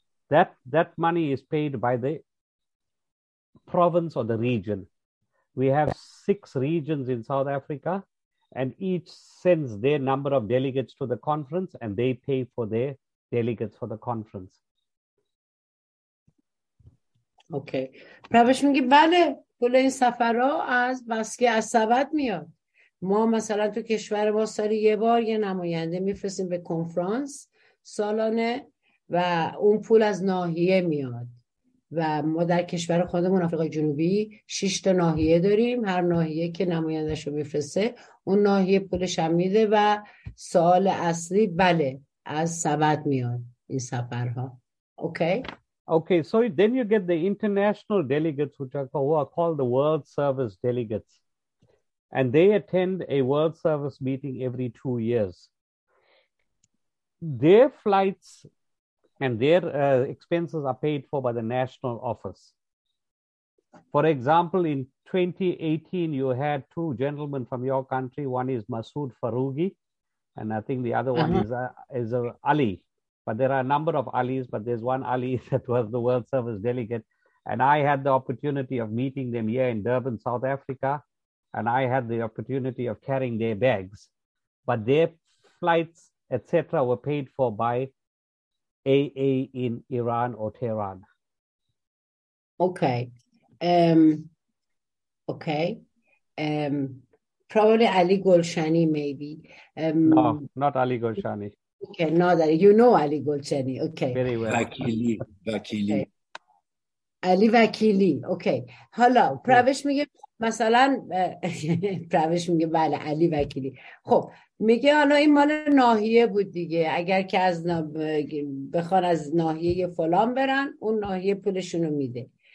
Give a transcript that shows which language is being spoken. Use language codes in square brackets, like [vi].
[en] That money is paid by the province or the region. We have 6 regions in South Africa, and each sends their number of delegates to the conference, and they pay for their delegates for the conference. Okay. [fa] Pravesh میگه بله، پول این سفرها از بسکه از سبد میاد. ما مثلا تو کشور ما سالی یه بار یه نماینده میفرستیم به کنفرانس سالانه و اون پول از ناحیه میاد. و ما در کشور خودمون آفریقای جنوبی 6 تا ناحیه داریم، هر ناحیه که نمایندش رو میفرسته اون ناحیه پولش هم میده. و سوال اصلی بله، از سبد میاد این سفرها. اوکی. [en] Okay, so then you get the international delegates which are called the world service delegates. And they attend a World Service meeting every 2 years. Their flights and their expenses are paid for by the national office. For example, in 2018, you had 2 gentlemen from your country. One is Masood Farooqi, and I think the other one is Ali. But there are a number of Alis, but there's one Ali that was the World Service delegate. And I had the opportunity of meeting them here in Durban, South Africa. And I had the opportunity of carrying their bags, but their flights, etc., were paid for by AA in Iran or Tehran. Okay. Okay. Probably Ali Golshani, maybe. No, not Ali Golshani. Okay, not that. You know Ali Golshani. Okay. Very well. Vakili. [fa] علی وکیلی. اوکی. حالا پروش میگه مثلا پروش میگه بله علی وکیلی. خب میگه حالا این مال ناحیه بود دیگه، اگر که از بخوان از ناحیه فلان برن اون ناحیه پولشونو میده.